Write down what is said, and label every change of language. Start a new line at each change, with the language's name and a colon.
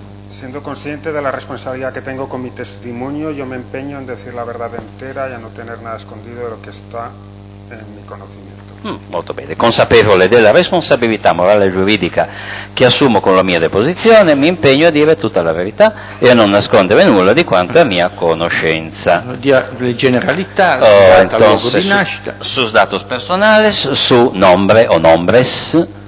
Spanish: Siendo consciente de la responsabilidad que tengo con mi testimonio, yo me empeño en decir la verdad entera y a no tener nada escondido de lo que está en mi conocimiento.
Italian: Molto bene. Consapevole della responsabilità morale e giuridica che assumo con la mia deposizione, mi impegno a dire tutta la verità e a non nascondere nulla di quanto è mia conoscenza. Le generalità, luogo di nascita.
Spanish: Sus datos personales, su nombre o nombres.